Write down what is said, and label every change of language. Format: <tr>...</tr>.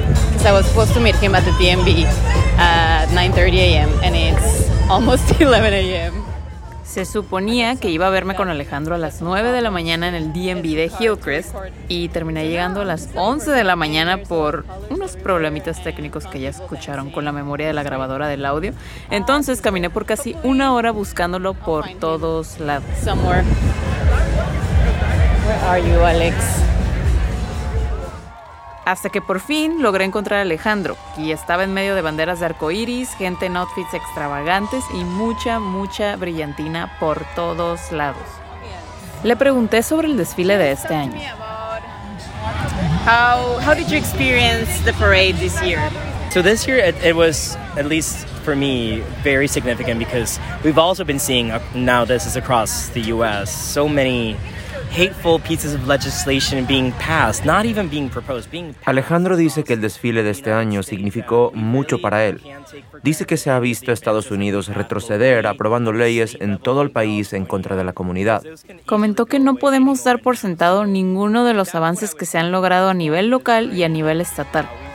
<en>Because I was supposed to meet him at the DMV at 9:30 a.m. and it's almost 11 a.m.</en> <es>Se suponía que iba a verme con Alejandro a las 9 de la mañana en el DMV de Hillcrest y terminé llegando a las 11 de la mañana por unos problemitas técnicos que ya escucharon con la memoria de la grabadora del audio. Entonces caminé por casi una hora buscándolo por todos lados.</es> <en>Where are you, Alex?</en> <es>Hasta que por fin logré encontrar a Alejandro, y estaba en medio de banderas de arcoíris, gente en outfits extravagantes y mucha, mucha brillantina por todos lados. Le pregunté sobre el desfile de este año.</es> <en>How did you experience the parade this year? So this year it was, at least for me, very significant because we've also been seeing, now this is across the US, so many hateful pieces of legislation being passed, not even being proposed, being passed.</en> <es>Alejandro dice que el desfile de este año significó mucho para él. Dice que se ha visto a Estados Unidos retroceder aprobando leyes en todo el país en contra de la comunidad. Comentó que no podemos dar por sentado ninguno de los avances que se han logrado a nivel local y a nivel estatal.</es>